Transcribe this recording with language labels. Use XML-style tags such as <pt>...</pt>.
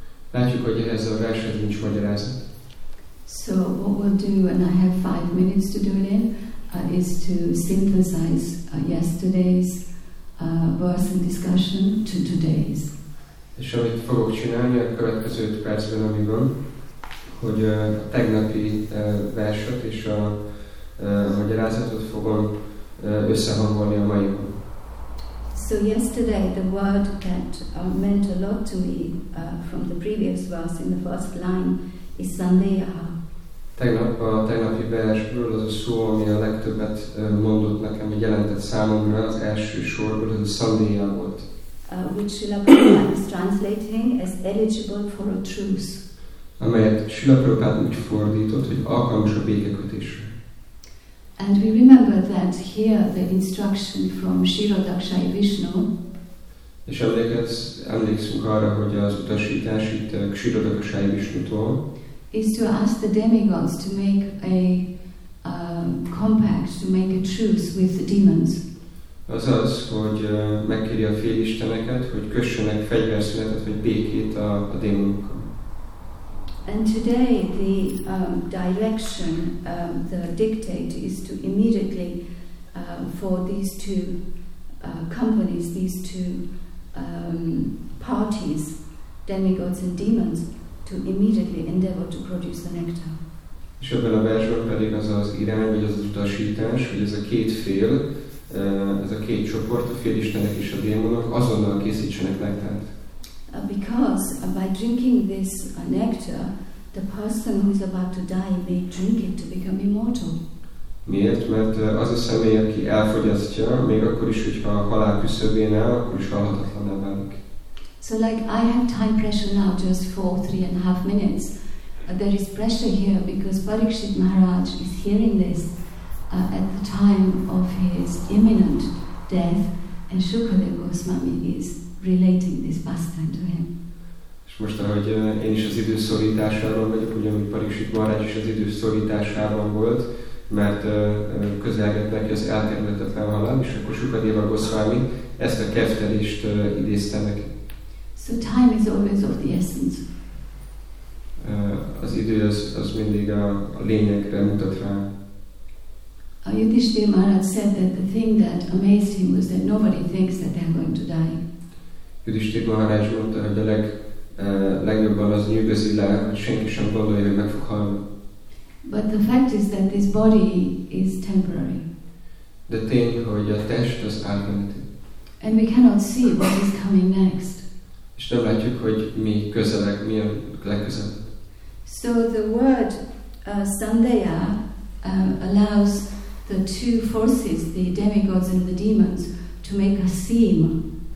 <hu>Látjuk, hogy ehhez a verset nincs magyarázat.</hu> <en>So what we'll do, and I have 5 minutes to do it in, is to synthesize yesterday's verse and discussion to today's.</en> <hu>És amit fogok csinálni a következő percben, amiben, hogy a tegnapi verset és a magyarázatot fogom összehangolni a maiban.</hu> <en>So yesterday the word that meant a lot to me from the previous verse in the first line is sandeha.</en> <hu>Tegnap a tegnapi versből az a szó, ami a legtöbbet mondott nekem, hogy jelentett számomra az első sorból, az a szandéja volt.</hu> <en>Which Srila Prabhupada is translating as eligible for a truce.</en> <hu>Amelyet Srila Prabhupada úgy fordított, hogy alkalmas a békekötésre.</hu> <en>And we remember that here the instruction from Srila Dakshaya Vishnu.</en> <hu>És emlékszünk arra, hogy az utasítás itt Srila Dakshaya Vishnutól.</hu> <en>Is to ask the demigods to make a compact, to make a truce with the demons.</en> <hu>Azaz, hogy megkéri a félisteneket, hogy kössenek fegyverszünetet, vagy békét a démonokkal.</hu> <en>And today the direction, the dictate is to immediately for these two companies, these two parties, demigods and demons, to immediately endeavor to produce the nectar.</en> <hu>És ebben a versben pedig az az irány, vagy az utasítás, hogy ez a két fél, ez a két csoport, a félistenek és a démonok azonnal készítsenek nektárt.</hu> <en>Because by drinking this nectar, the person who is about to die may drink it to become immortal.</en> <hu>Miért? Mert az a személy, aki elfogyasztja, még akkor is, hogyha a halál küszöbén áll, akkor is halhatatlanná válik.</hu> <en>So like I have time pressure now just for 3.5 minutes. There is pressure here because Parikshit Maharaj is hearing this at the time of his imminent death, and Shukadeva Goswami is relating this pastime to him.</en> <hu>És most, ahogy én is az idő szorításában vagyok, ugyanúgy Parikshit Maharaj is az idő szorításában volt, mert közelgett neki az elkerülhetetlen halál, és akkor Shukadeva Goswami ezt a keftelést idézte neki.</hu> <en>So time is always of the essence.</en> <hu>Az idő az mindig a lényegre mutat rá.</hu> <en>A Yudhishthira Maharaj said that the thing that amazed him was that nobody thinks that they're going to die.</en> <hu>Yudhishthira Maharaj mondta, hogy a legjobban az nyűgözi le, hogy senki sem gondolja, hogy meg fog halni.</hu> <en>But the fact is that this body is temporary.</en> <hu>De tény, hogy a test az átmeneti.</hu> <en>And we cannot see what is coming next.</en> <hu>És nem látjuk, hogy mi közelek, mi a legközelebb.</hu> <en>So the word Sandeya allows the two forces, the demigods and the demons, to make a seam.</en>